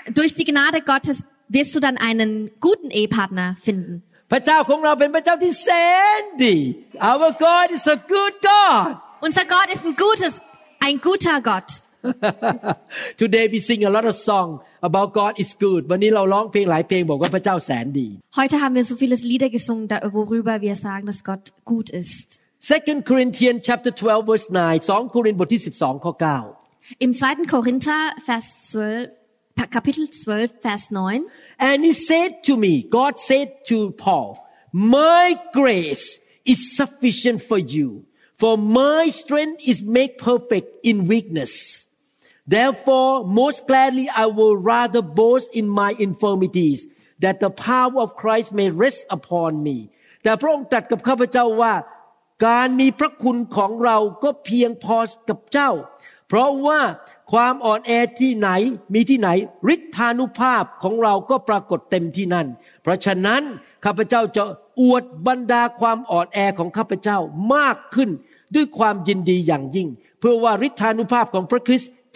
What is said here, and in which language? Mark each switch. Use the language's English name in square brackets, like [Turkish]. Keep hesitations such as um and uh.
[German] durch die Gnade Gottes wirst du dann einen guten Ehepartner finden [Thai] พระเจ้าของเราเป็นพระเจ้าที่แสนดี [English] our God is a [German] unser Gott ist ein gutes ein guter Gott [English] Today we sing a lot of songs about God is good. [Thai] วันนี้เราร้องเพลงหลายเพลงบอกว่าพระเจ้าแสนดี [German] Heute haben wir so viele Lieder gesungen, worüber wir sagen, dass Gott gut ist. [English] 2 Corinthians chapter 12 verse 9 2 Korinther บทท [German] Im 2. Korinther 12 Kapitel 12 Vers 9 [English] And he said to me, God said to Paul, My grace is sufficient for you, for my strength is made perfect in weakness. Therefore, most gladly I will rather boast in my infirmities that the power of Christ may rest upon me. [Thai] แต่พระองค์ตัดกับข้าพเจ้าว่า การมีพระคุณของเราก็เพียงพอกับเจ้า เพราะว่าความอ่อนแอที่ไหนมีที่ไหนฤทธานุภาพของเราก็ปรากฏเต็มที่นั่น เพราะฉะนั้นข้าพเจ้าจะอวดบรรดาความอ่อนแอของข้าพเจ้ามากขึ้นด้วยความยินดีอย่างยิ่งเพื่อว่าฤทธานุภาพของพระคริสต์